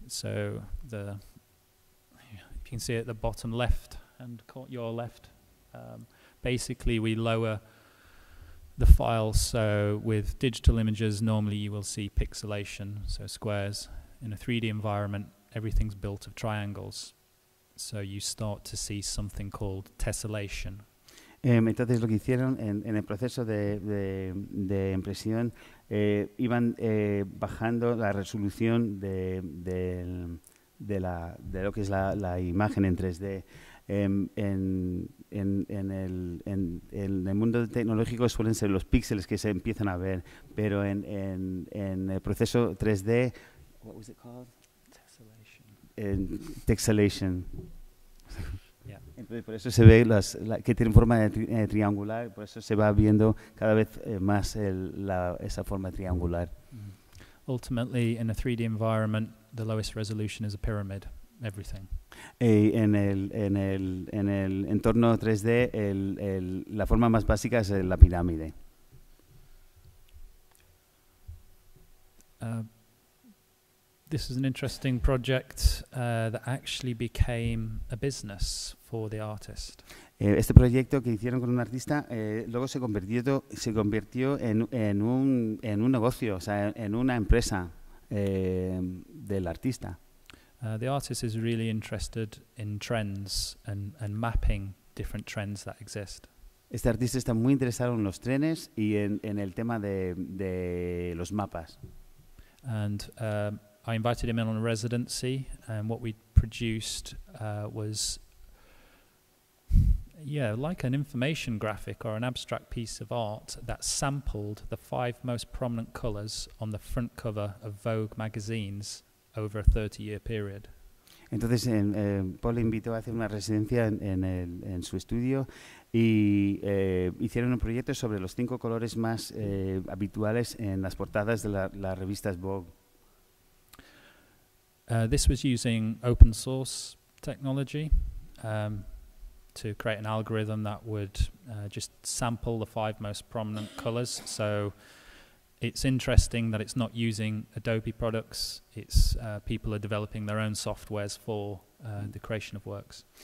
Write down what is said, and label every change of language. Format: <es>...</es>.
<en>So if you can see at the bottom left, and your left, basically we lower the file. So with digital images, normally you will see pixelation, so squares. In a 3D environment, everything's built of triangles. So you start to see something called tessellation.</en> <es>Entonces lo que hicieron en el proceso de impresión, iban bajando la resolución de lo que es la imagen en 3D. En el mundo tecnológico suelen ser los píxeles que se empiezan a ver, pero en el proceso 3D,</es> <en>what was it called? Tessellation. Tessellation. Yeah.</en> <es>Por eso se ve que tiene forma triangular, por eso se va viendo cada vez más esa forma triangular.</es> <en>Ultimately, in a 3D environment, the lowest resolution is a pyramid. Everything.</en> <es>En el entorno 3D, la forma más básica es la pirámide.</es> <en>This is an interesting project that actually became a business for the artist.</en> <es>Este proyecto que hicieron con un artista luego se convirtió en un negocio, o sea, en una empresa del artista.</es> <en>The artist is really interested in trends and mapping different trends that exist.</en> <es>Este artista está muy interesado en los trenes y en el tema de los mapas.</es> <en>And I invited him in on a residency, and what we produced was, like an information graphic or an abstract piece of art that sampled the 5 most prominent colors on the front cover of Vogue magazines over a 30-year period.</en> <es>Entonces, Paul invitó a hacer una residencia en su estudio y hicieron un proyecto sobre los 5 colores más habituales en las portadas de las revistas Vogue.</es> <en>This was using open source technology to create an algorithm that would just sample the 5 most prominent colors. So it's interesting that it's not using Adobe products. It's people are developing their own softwares for the creation of works.</en>